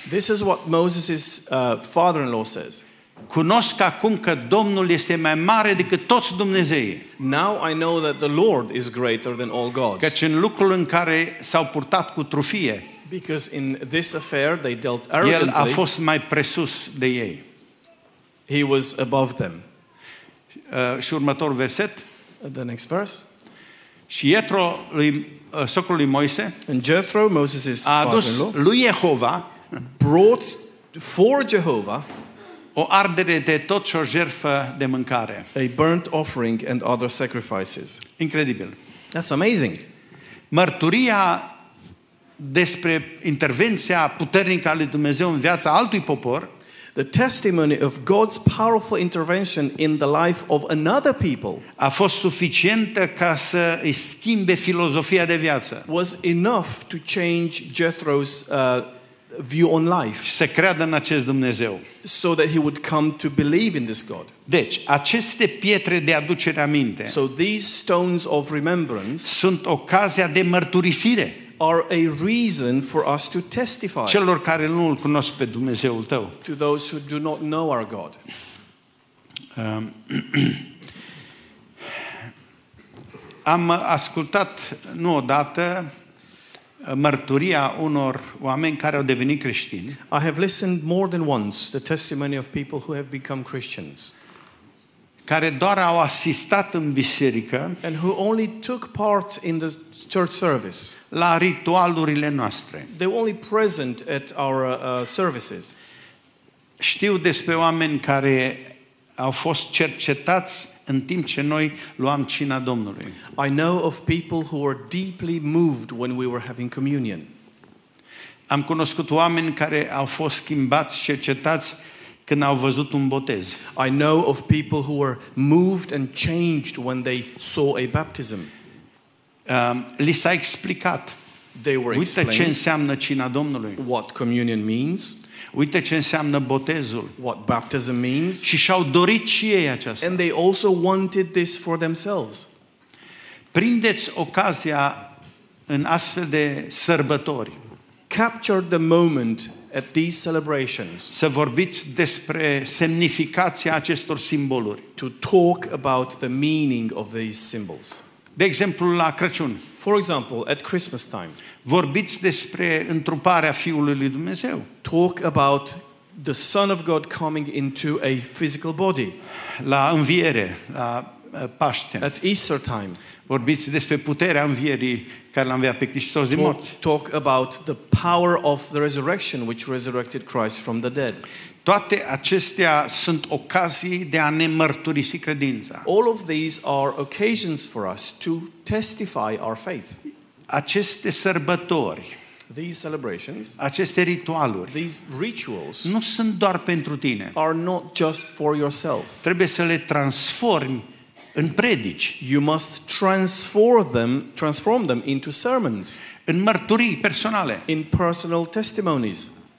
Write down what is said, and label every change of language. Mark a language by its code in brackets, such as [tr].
[en] This is what Moses' father-in-law says. [ro] Cunosc acum că Domnul este mai mare decât toți dumnezeii. [en] Now I know that the Lord is greater than all gods. [ro] Căci în lucrul în care s-au purtat cu trufie, [en] because in this affair they dealt arrogantly. [ro] El a fost mai presus de ei. [en] He was above them. [ro] Și următorul verset. [en] The next verse. [ro] Și Ietro, socrului Moise, [en] and Jethro, Moses' father-in-law, [ro] a adus lui Jehova, [en] brought for Jehovah, [ro] o ardere de tot și o jertfă de mâncare. [en] A burnt offering and other sacrifices. [ro] Incredibil. [en] That's amazing. [ro] Mărturia despre intervenția puternică a lui Dumnezeu în viața altui popor, [en] the testimony of God's powerful intervention in the life of another people, [ro] a fost suficientă ca să îi schimbe filozofia de viață, [en] was enough to change Jethro's view on life, [ro] să creadă în acest Dumnezeu, [en] so that he would come to believe in this God. [ro] Deci, aceste pietre de aducere aminte, [en] so these stones of remembrance, [ro] sunt ocazia de mărturisire, [en] are a reason for us to testify, [ro] celor care nu îl cunosc pe Dumnezeul tău, [en] to those who do not know our God. [ro] Am ascultat nu odată mărturia unor oameni care au devenit creștini. [en] I have listened more than once the testimony of people who have become Christians, [ro] care doar au asistat în biserică, [en] and who only took part in the church service, [ro] la ritualurile noastre. [en] They were only present at our services. [ro] Știu despre oameni care au fost cercetați în timp ce noi luam cina Domnului. [en] I know of people who were deeply moved when we were having communion. [ro] Am cunoscut oameni care au fost schimbați, cercetați când au văzut un botez. [en] I know of people who were moved and changed when they saw a baptism. [ro] Li s-a explicat. [en] They were explained. [ro] Uite ce înseamnă cina Domnului. [en] What communion means. [ro] Uite ce înseamnă botezul. [en] What baptism means. [ro] Și și-au dorit și ei aceasta. [en] And they also wanted this for themselves. [ro] Prindeți ocazia în astfel de sărbători. [en] Capture the moment at these celebrations. [ro] Să vorbiți despre semnificația acestor simboluri. [en] To talk about the meaning of these symbols. [ro] De exemplu, la Crăciun. [en] For example, at Christmas time. [ro] Vorbiți despre întruparea Fiului lui Dumnezeu. [en] Talk about the Son of God coming into a physical body. [ro] La înviere, la Paște. [en] At Easter time. [ro] Vorbiți despre puterea învierii care l-a înviat pe Hristos din morți. [en] Talk about the power of the resurrection which resurrected Christ from the dead. [ro] Toate acestea sunt ocazii de a ne mărturisi credința. [en] All of these are occasions for us to testify our faith. [ro] Aceste sărbători, [en] these celebrations, [ro] aceste ritualuri, [en] these rituals, [ro] nu sunt doar pentru tine. [en] Are not just for yourself. [ro] Trebuie să le transformi în predici. [en] You must transform them into sermons. [ro] În mărturii personale. [en] In personal testimonies.